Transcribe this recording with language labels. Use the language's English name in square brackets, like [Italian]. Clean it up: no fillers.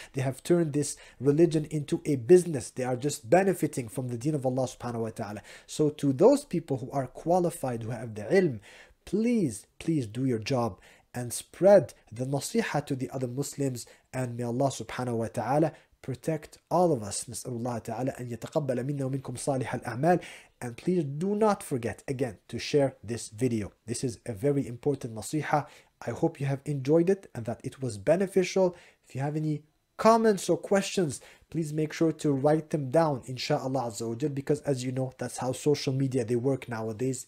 [English] They have turned this religion into a business. They are just benefiting from the deen of Allah [Arabic] subhanahu wa ta'ala. [English] So to those people who are qualified, who have the ilm, please, please do your job and spread the nasiha to the other Muslims. And may Allah [Arabic] subhanahu wa ta'ala [English] protect all of us. [Arabic] نسأل الله تعالى أن يتقبل منا ومنكم صالح الأعمال. [English] And please do not forget again to share this video. This is a very important nasiha. I hope you have enjoyed it and that it was beneficial. If you have any comments or questions, please make sure to write them down, [Arabic] inshallah azza wa jal, [English] because as you know, that's how social media they work nowadays.